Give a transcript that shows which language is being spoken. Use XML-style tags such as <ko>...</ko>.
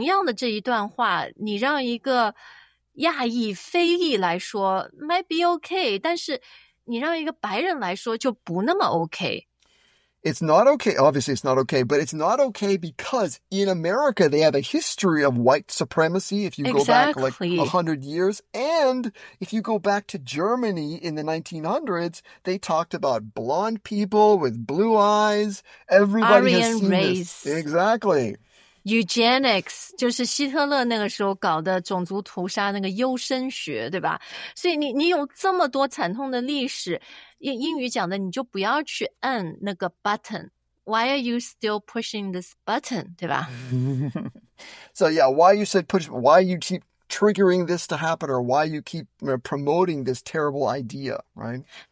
<zh>是其实真的，我觉得是很多白人都会觉得，哦天哪，为什么要去搞这么一个广告？也许同样的这一段话，你让一个 亚裔非裔来说</zh> <en>might be okay,</en> <zh>但是你让一个白人来说就不那么okay.</zh> <en>It's not okay, obviously it's not okay, but it's not okay because in America they have a history of white supremacy if you go back like 100 years. And if you go back to Germany in the 1900s, they talked about blonde people with blue eyes. Everybody Aryan has seen race. This. Exactly.</en> <zh>Eugenics, 就是希特勒那个时候搞的种族屠杀那个优生学，对吧？所以你有这么多惨痛的历史, 英语讲的你就不要去按那个 button.</zh> <en>Why are you still pushing this button,</en> <zh>对吧？</zh> <en>So yeah, why you said push, why you keep triggering this to happen or why you keep promoting this terrible idea, right?</en>